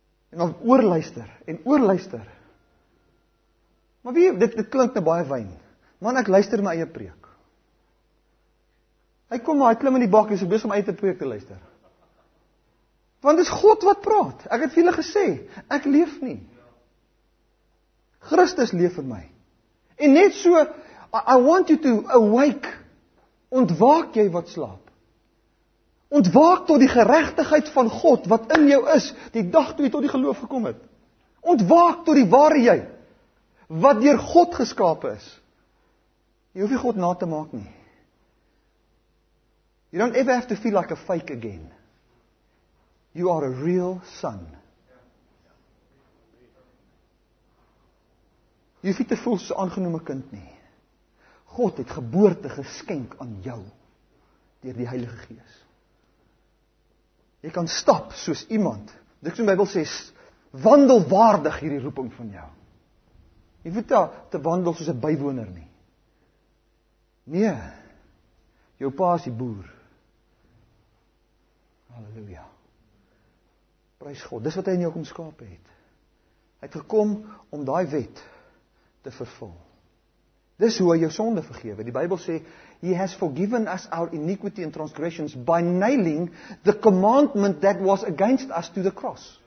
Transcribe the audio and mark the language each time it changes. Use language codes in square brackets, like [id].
[af] En dan oorluister en oorluister. Maar wie, dit klink nou baie wyn. Man, ek luister my eie preek. Hy kom maar, hy klim in die bak en is besig om uit te preek te luister. Want dis God wat praat. Ek het vir julle gesê, ek leef nie. Christus leef in my. En net so, [en] I want you to awake. [af] Ontwaak jy wat slaap. Ontwaak tot die geregtigheid van God wat in jou is, die dag toe jy tot die geloof gekom het. Ontwaak tot die ware jy, wat deur God geskape is. Jy hoef nie God na te maak nie. [en] You don't ever have to feel like a fake again. You are a real son. [af] Jy hoef nie te voel so aangenome kind nie. God het geboorte geskenk aan jou deur die Heilige Gees. Jy kan stap soos iemand. Dit is wat die Bybel sê, wandel waardig hierdie roeping van jou. Jy hoef nie te wandel soos 'n bywoner nie. Nee, jou pa is die boer. Halleluja. Prys God, dis wat hy in jou kom skaap het. Hy het gekom om daai wet te vervul. Dis hoe hy jou sonde vergewe. Die Bybel sê, [en] He has forgiven us our iniquity and transgressions by nailing the commandment that was against us to the cross.